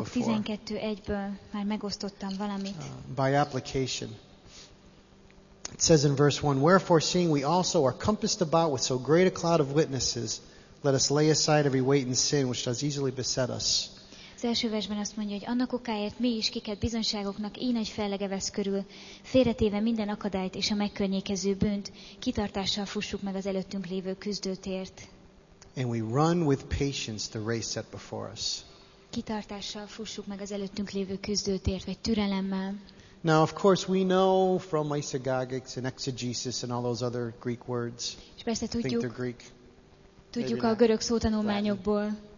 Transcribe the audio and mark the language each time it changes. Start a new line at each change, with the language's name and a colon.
Hungarian: Zsidók 12:1-ből már megosztottam valamit.
English: By application. It says in verse 1, wherefore seeing we also are compassed about with so great a cloud of witnesses, let us lay aside every weight and sin which does easily beset us.
Hungarian: Az első versben azt mondja, hogy annak okáért mi is kiket bizonyságoknak így nagy fellege vesz körül, félretéve minden akadályt és a megkörnyékező bűnt, kitartással fussuk meg az előttünk lévő küzdőtért.
English: And we run with patience the race set before us.
Hungarian: Kitartással fussuk meg az előttünk lévő küzdőtért, vagy türelemmel.
English: Now, of course, we know from eisegagics and exegesis and all those other Greek words.
Hungarian: És persze tudjuk,
English: think they're Greek.
Hungarian: Tudjuk a görög szótanulmányokból.